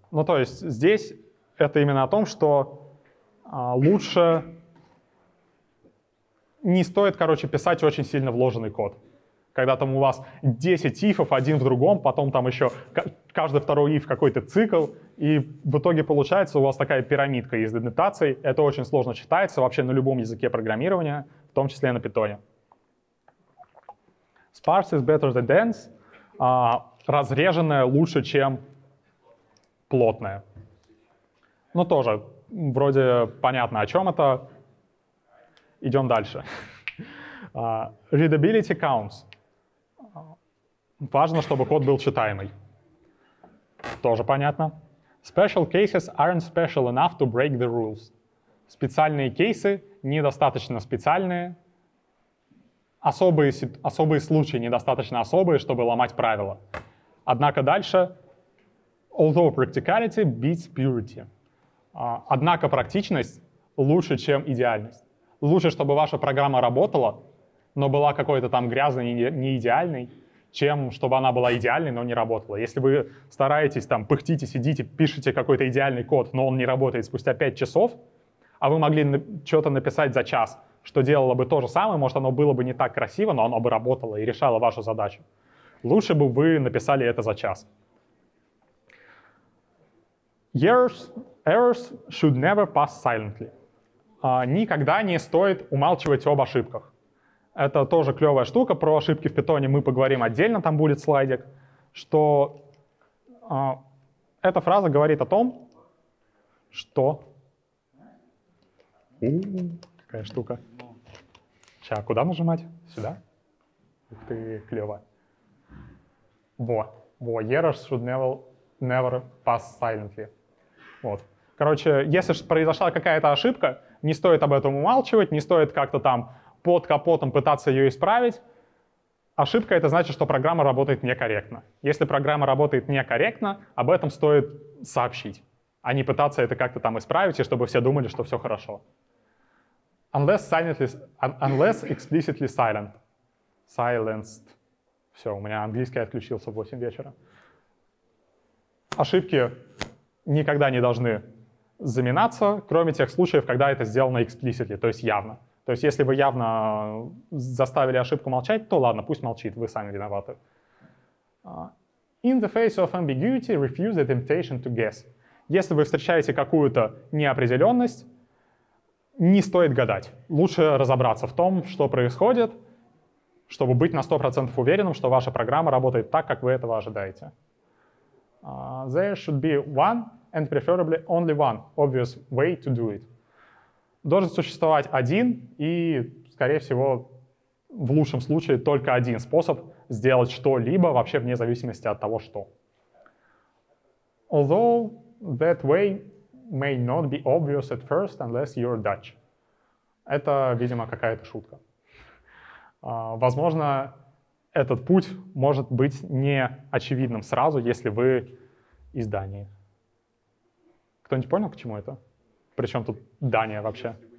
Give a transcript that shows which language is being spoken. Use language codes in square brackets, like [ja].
[ru] Ну, то есть здесь... Это именно о том, что лучше не стоит, короче, писать очень сильно вложенный код. Когда там у вас 10 ифов один в другом, потом там еще каждый второй иф какой-то цикл, и в итоге получается у вас такая пирамидка из индентаций. Это очень сложно читается вообще на любом языке программирования, в том числе на питоне. [en] Sparse is better than dense. [ru] Разреженное лучше, чем плотное. Ну, тоже, вроде понятно, о чем это. Идем дальше. [en] Readability counts. [ru] Важно, чтобы код был читаемый. Тоже понятно. [en] Special cases aren't special enough to break the rules. [ru] Специальные кейсы недостаточно специальные. Особые случаи недостаточно особые, чтобы ломать правила. Однако дальше. [en] Although practicality beats purity. [ru] Однако практичность лучше, чем идеальность. Лучше, чтобы ваша программа работала, но была какой-то там грязной, не идеальной, чем чтобы она была идеальной, но не работала. Если вы стараетесь, там, пыхтите, сидите, пишете какой-то идеальный код, но он не работает спустя 5 часов, а вы могли что-то написать за час, что делало бы то же самое, может, оно было бы не так красиво, но оно бы работало и решало вашу задачу. Лучше бы вы написали это за час. [en] Errors should never pass silently. [ru] Никогда не стоит умалчивать об ошибках. Это тоже клевая штука. Про ошибки в питоне мы поговорим отдельно, там будет слайдик. Что эта фраза говорит о том, что... Какая штука. Сейчас, куда нажимать? Сюда? Ух ты, клево. [en] Во, errors should never pass silently. [ru] Вот. Короче, если произошла какая-то ошибка, не стоит об этом умалчивать, не стоит как-то там под капотом пытаться ее исправить. Ошибка — это значит, что программа работает некорректно. Если программа работает некорректно, об этом стоит сообщить, а не пытаться это как-то там исправить, и чтобы все думали, что все хорошо. [en] Unless explicitly silent. Silenced. [ru] Все, у меня английский отключился в 8 вечера. Ошибки никогда не должны заминаться, кроме тех случаев, когда это сделано explicitly, то есть явно. То есть если вы явно заставили ошибку молчать, то ладно, пусть молчит, вы сами виноваты. [en] In the face of ambiguity, refuse the temptation to guess. [ru] Если вы встречаете какую-то неопределенность, не стоит гадать. Лучше разобраться в том, что происходит, чтобы быть на 100% уверенным, что ваша программа работает так, как вы этого ожидаете. [en] There should be one and preferably only one obvious way to do it. [ru] Должен существовать один и, скорее всего, в лучшем случае, только один способ сделать что-либо вообще вне зависимости от того, что. [en] Although that way may not be obvious at first unless you're Dutch. [ru] Это, видимо, какая-то шутка. Возможно, этот путь может быть не очевидным сразу, если вы из Дании. Кто-нибудь понял, к чему это? Причем тут Дания вообще?